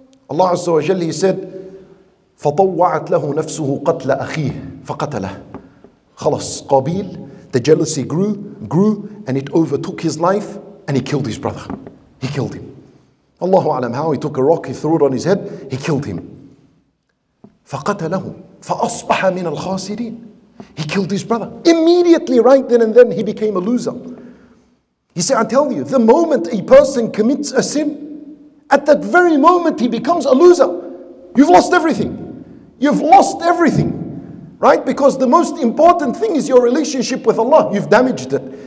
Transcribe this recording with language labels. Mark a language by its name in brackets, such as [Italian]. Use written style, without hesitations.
[Arabic] Allah Azza wa Jalla, [English] he said, [Arabic] فطوعت له نفسه قتل أخيه فقتله. خلاص [English] قابيل, the jealousy grew and it overtook his life and he killed his brother. He killed him. Allahu alam how he took a rock, he threw it on his head, he killed him. [Arabic] فقتله فأصبح من الخاسرين. [English] He killed his brother. Immediately right then and then he became a loser. You see, I tell you, the moment a person commits a sin, at that very moment he becomes a loser. You've lost everything. You've lost everything, right? Because the most important thing is your relationship with Allah. You've damaged it.